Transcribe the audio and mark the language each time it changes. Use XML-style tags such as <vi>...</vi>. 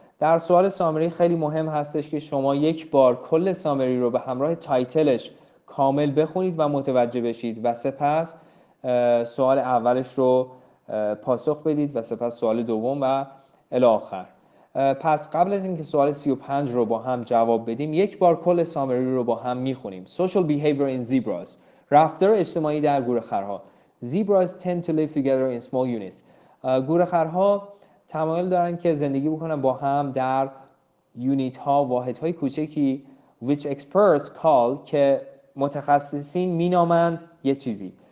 <fa>در سوال سامری خیلی مهم هستش که شما یک بار کل سامری رو به همراه تایتلش کامل بخونید و متوجه بشید و سپس سوال اولش رو پاسخ بدید و سپس سوال دوم و الی آخر. پس قبل از اینکه سوال 35 رو با هم جواب بدیم، یک بار کل سامری رو با هم میخونیم.</fa> <en>Social behavior in zebras.</en> <fa>رفتار اجتماعی در گورخرها.</fa> <en>Zebras tend to live together in small units.</en> <fa>گورخرها تمایل دارن که زندگی بکنن با هم در یونیت ها، واحد های کوچکی،</fa> <en>which experts call</en> <fa>که متخصصین می نامند یه چیزی.</fa>